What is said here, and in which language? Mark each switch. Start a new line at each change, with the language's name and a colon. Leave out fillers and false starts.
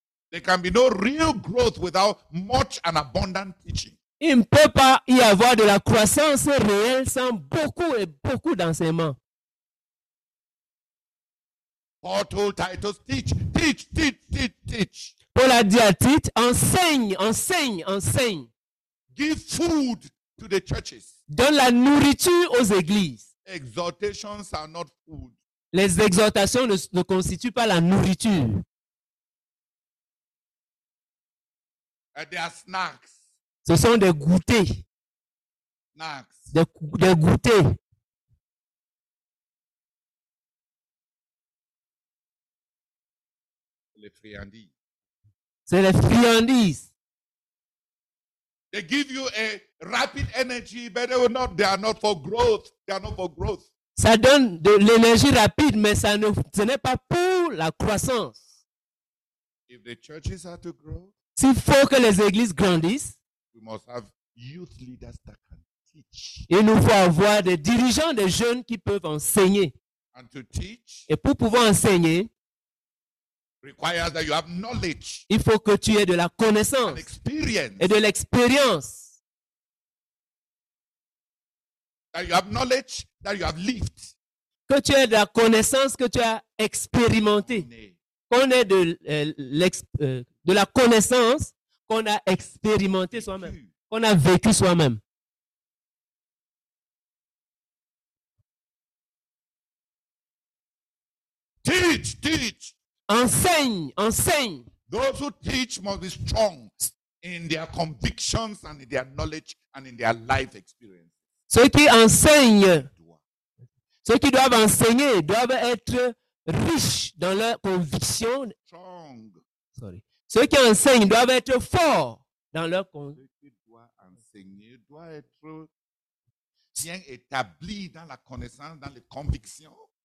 English: There can be no real growth without much and abundant teaching.
French: Il ne peut pas y avoir de la croissance réelle sans beaucoup et beaucoup d'enseignements.
English: Paul told Titus, teach.
French: Paul a dit à Tite, enseigne.
English: Give food to the churches.
French: Donne la nourriture aux églises.
English: Exhortations are not food.
French: Les exhortations ne constituent pas la nourriture.
English: They are snacks.
French: Ce sont des goûters.
English: Snacks.
French: Des goûters. Les friandises. C'est les friandises.
English: They give you a rapid energy, but they are not for growth.
French: Ça donne de l'énergie rapide, mais ce n'est pas pour la croissance.
English: If the churches are to grow,
French: s'il faut que les églises grandissent,
English: we must have youth leaders that can teach.
French: Il nous faut avoir des dirigeants, des jeunes qui peuvent enseigner.
English: And to teach,
French: et pour pouvoir enseigner,
English: requires that you have knowledge,
French: il faut que tu aies de la connaissance
English: and experience,
French: et de l'expérience.
English: That you have knowledge, that you have lived.
French: Que tu aies de la connaissance, que tu as expérimenté. Qu'on ait de la connaissance qu'on a expérimenté soi-même, qu'on a vécu soi-même.
English: Teach.
French: Enseigne.
English: Those who teach must be strong in their convictions and in their knowledge and in their life experience.
French: Ceux qui doivent enseigner doivent être riches dans leurs convictions.
English: Strong. Sorry.
French: Ceux qui enseignent doivent être forts dans leur conviction. Ceux qui doivent enseigner doivent être bien établis dans la connaissance, dans les convictions.